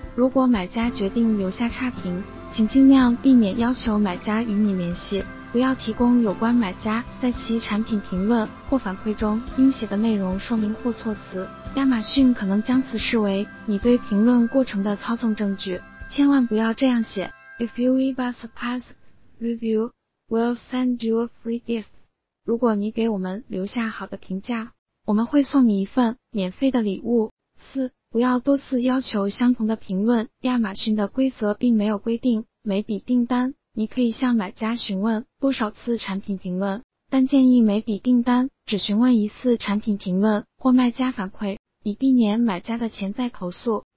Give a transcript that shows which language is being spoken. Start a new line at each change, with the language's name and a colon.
Chinese: 如果买家决定留下差评，请尽量避免要求买家与你联系，不要提供有关买家在其产品评论或反馈中应写的内容说明或措辞，亚马逊可能将此视为你对评论过程的操纵证据。千万不要这样写：
English: If you leave us a positive review, we'll send you a free gift.
Chinese: 如果你给我们留下好的评价，我们会送你一份免费的礼物。四，不要多次要求相同的评论。亚马逊的规则并没有规定每笔订单你可以向买家询问多少次产品评论，但建议每笔订单只询问一次产品评论或卖家反馈，以避免买家的潜在投诉。